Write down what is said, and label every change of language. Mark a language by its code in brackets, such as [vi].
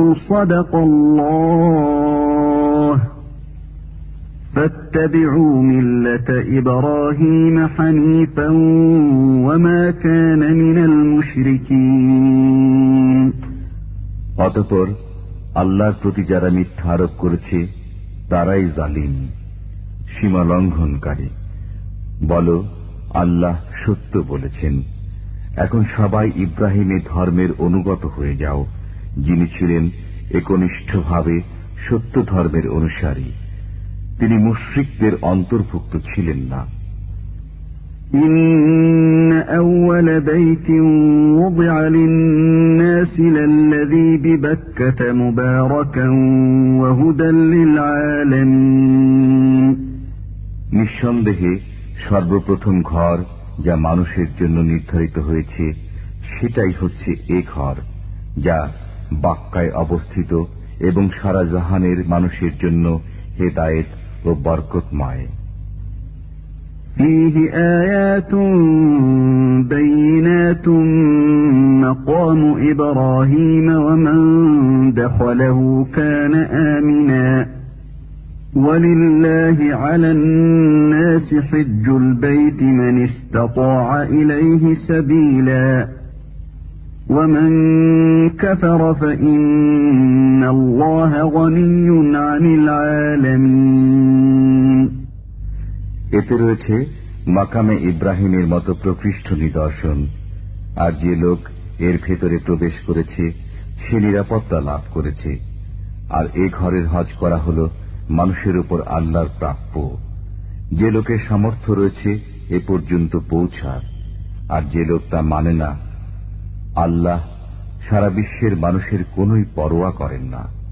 [ar] صدق الله فاتبعوا ملة إبراهيم حنيفا وما كان من المشركين [bn] অতঃপর আল্লাহর প্রতি যারা মিথ্যা আরোপ করেছে তারাই জালিম সীমা লঙ্ঘনকারী বলো আল্লাহ সত্য বলেছেন এখন সবাই ইব্রাহিমের ধর্মের অনুগত হয়ে যাও যিনি ছিলেন একনিষ্ঠভাবে সত্য ধর্মের অনুসারী তিনি মুশরিকদের অন্তর্ভুক্ত ছিলেন না [ar] إن أول بيت وضع للناس للذي ببكة مباركا وهدى للعالمين [bn] নিঃসন্দেহ সর্বপ্রথম ঘর যা মানুষের জন্য নির্ধারিত হয়েছে সেটাই হচ্ছে এই ঘর যা বাক্কায় অবস্থিত এবং সারা জাহানের মানুষের জন্য হেদায়েত ও বরকতময় [ar] فيه آيات بينات مقام إبراهيم ومن دخله كان آمنا ولله على الناس حج البيت من استطاع إليه سبيلا ومن كفر فإن الله غني عن العالمين [bn] এতে রয়েছে মাকামে ইব্রাহিমের মতো প্রকৃষ্ট নিদর্শন আর যে লোক এর ভেতরে প্রবেশ করেছে সে নিরাপত্তা লাভ করেছে আর এ ঘরের হজ করা হল মানুষের উপর আল্লাহর প্রাপ্য যে লোকের সামর্থ্য রয়েছে এ পর্যন্ত পৌঁছার আর যে লোক তা মানে না আল্লাহ সারা বিশ্বের মানুষের কোনই পরোয়া করেন না